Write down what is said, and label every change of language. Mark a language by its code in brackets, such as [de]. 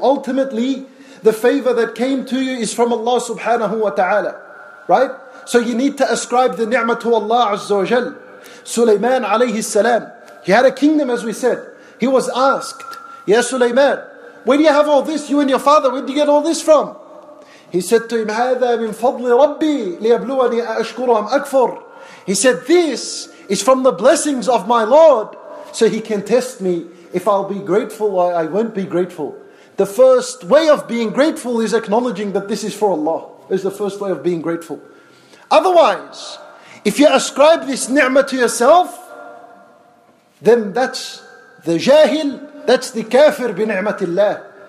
[en] Ultimately, the favor that came to you is from Allah subhanahu wa ta'ala. Right? So you need to ascribe the ni'mah to Allah Azza wa Jal. Sulaiman alayhi salam, he had a kingdom, as we said. He was asked, Ya Sulaiman, where do you have all this? You and your father, where do you get all this from? He said to him, [ar] هَذَا مِن فَضْلِ رَبِّي لِيَبْلُوَنِي أَشْكُرُ أَمْ أَكْفُرُ. [en] He said, this is from the blessings of my Lord, so he can test me if I'll be grateful or I won't be grateful. The first way of being grateful is acknowledging that this is for Allah. Is the first way of being grateful. Otherwise, if you ascribe this ni'mah to yourself, then that's the jahil, that's the kafir bi ni'matillah.